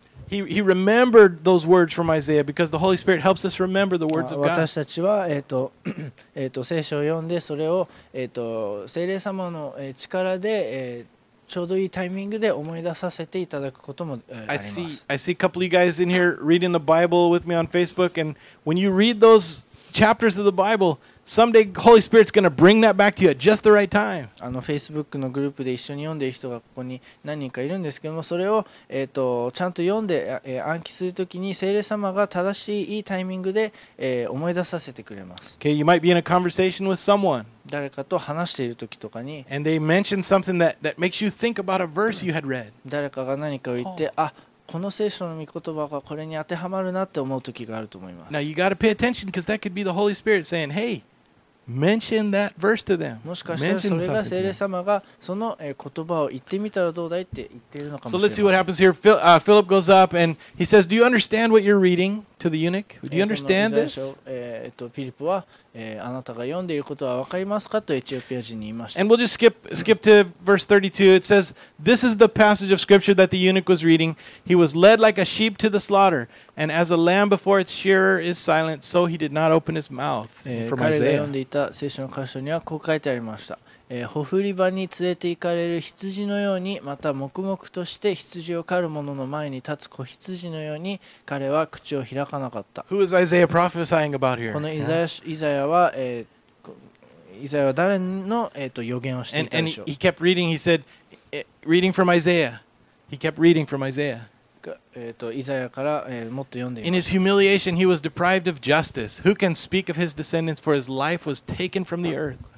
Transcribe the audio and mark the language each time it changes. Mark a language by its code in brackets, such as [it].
[en] He remembered those words from Isaiah because the Holy Spirit helps us remember the words of God. [ja] 私たちは、聖書を読んで、それを、聖霊様の力で、ちょうどいいタイミングで思い出させていただくこともあります。 [en] I see a couple of you guys in here reading the Bible with me on Facebook, and when you read those chapters of the Bible, someday Holy Spirit's going to bring that back to you at just the right time. [ja] あの Facebook のグループで一緒に読んでいる人がここに何人かいるんですけども、それをちゃんと読んで、暗記するときに聖霊様が正しいいいタイミングで、思い出させてくれます。 [en] Okay, you might be in a conversation with someone. [ja] 誰かと話しているときとかに、 [en] and they mention something that makes you think about a verse you had read. [ja] 誰かが何かを言って、あ、この聖書の御言葉がこれに当てはまるなって思う時があると思います。 [en] Now you got to pay attention because that could be the Holy Spirit saying, "Hey, mention that verse to them." [ja] もしかしたらそれが聖霊様がその言葉を言ってみたらどうだいって言っているのかもしれない。 [en] So let's see what happens here. Philip goes up and he says, "Do you understand what you're reading to the eunuch? Do you understand this?" [ja] ピリポは、あなたが読んでいることはわかりますかとエチオピア人に言いました。 [en] And we'll just skip to verse 32. It says, "This is the passage of scripture that the eunuch was reading. He was led like a sheep to the slaughter, and as a lamb before its shearer is silent, so he did not open his mouth." From Isaiah. [ja] 彼が読んでいた聖書の箇所にはこう書いてありました。ほふり場に連れて行かれる羊のように、また黙々として羊を狩る者の前に立つ子羊のように、彼は口を開かなかった。 [en] Who is Isaiah prophesying about here? [ja] このイザヤは、イザヤは誰の、予言をしていたでしょう。 [en] And he kept reading. He said, reading from Isaiah. He kept reading from Isaiah. [ja] イザヤから、もっと読んでいます。 [en] In his humiliation he was deprived of justice. Who can speak of his descendants, for his life was taken from the earth.